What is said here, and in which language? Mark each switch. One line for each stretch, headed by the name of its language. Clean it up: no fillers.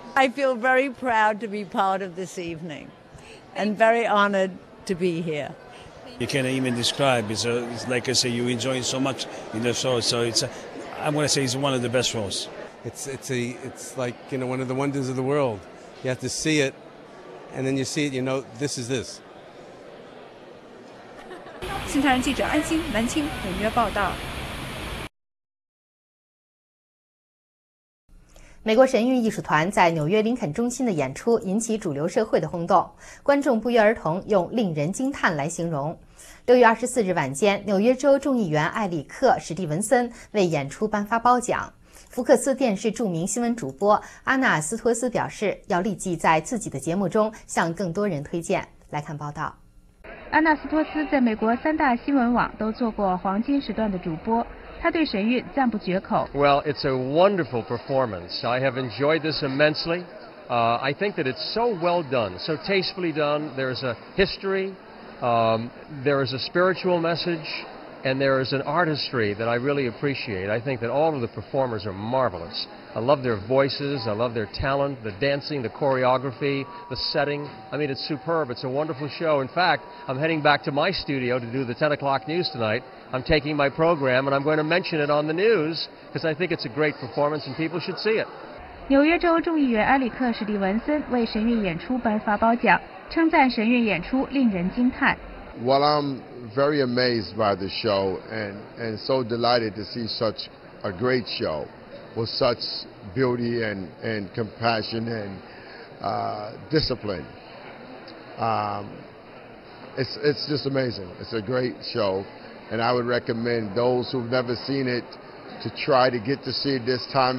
English: I feel very proud to be part of this evening and very honored to be here. You can't even describe. It's like I say, you enjoy so much in the show. So I'm going to say it's one of the best shows. It's like, you know, one of the wonders of the world. You have to see it, and then you see it, you know, this is this.
Chinese: 新唐人记者安心南青纽约报道。美国神韵艺术团在纽约林肯中心的演出引起主流社会的轰动，观众不约而同用令人惊叹来形容。 6月24日晚间，纽约州众议员艾里克·史蒂文森为演出颁发褒奖。福克斯电视著名新闻主播阿纳斯托斯表示，要立即在自己的节目中向更多人推荐。来看报道。阿纳斯托斯在美国三大新闻网都做过黄金时段的主播，他对神韵赞不绝口。
English: Well, it's a wonderful performance. I have enjoyed this immensely. I think that it's so well done, so tastefully done. There is a history, there is a spiritual message, and there is an artistry that I really appreciate. I think that all of the performers are marvelous. I love their voices, I love their talent, the dancing, the choreography, the setting. I mean, it's superb. It's a wonderful show. In fact, I'm heading back to my studio to do the 10 o'clock news tonight. I'm taking my program and I'm going to mention it on the news because I think it's a great performance and people should see it.
Chinese: 纽约州众议员埃里克·史蒂文森为神韵演出颁发褒奖，称赞神韵演出令人惊叹。
English: Well, I'm very amazed by the show and so delighted to see such a great show with such beauty and compassion and discipline. It's just amazing. It's a great show. And I would recommend those who've never seen it to try to get to see it this time.